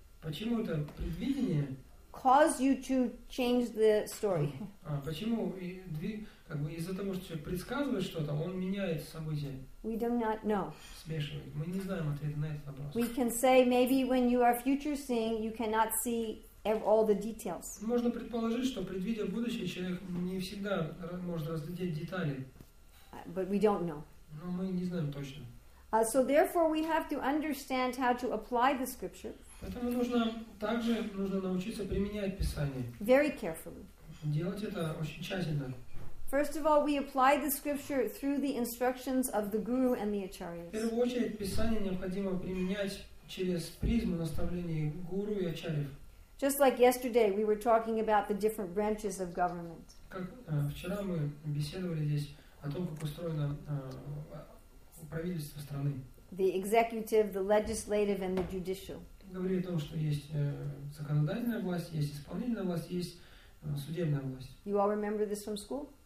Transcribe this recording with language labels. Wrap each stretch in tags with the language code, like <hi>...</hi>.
<ru>почему это предвидение</ru> <en>cause you to change the story?</en> <ru>Почему как бы из-за того, что предсказывает что-то, он меняет события?</ru> <en>We do not know.</en> <ru>Смешивает. Мы не знаем ответа на этот вопрос.</ru> <en>We can say maybe when you are future seeing, you cannot see all the details.</en> <ru>Можно предположить, что предвидя будущее, человек не всегда может разглядеть детали.</ru> <en>But we don't know.</en> <ru>Но мы не знаем точно.</ru> <en>So therefore we have to understand how to apply the scripture.</en> <ru>Поэтому нужно научиться применять Писание.</ru> <en>Very carefully.</en> <ru>Делать это очень тщательно.</ru> <en>First of all, we apply the scripture through the instructions of the Guru and the Acharyas.</en> <ru>В первую очередь, Писание необходимо применять через призму наставлений Гуру и Ачарьев.</ru> <en>Just like yesterday, we were talking about the different branches of government.</en> <ru>Как вчера мы беседовали здесь о том, как устроено правительство страны.</ru> <en>The executive, the legislative, and the judicial.</en> <ru>Говорили о том, что есть законодательная власть, есть исполнительная власть, есть судебная власть.</ru> <en>You all remember this from school?</en>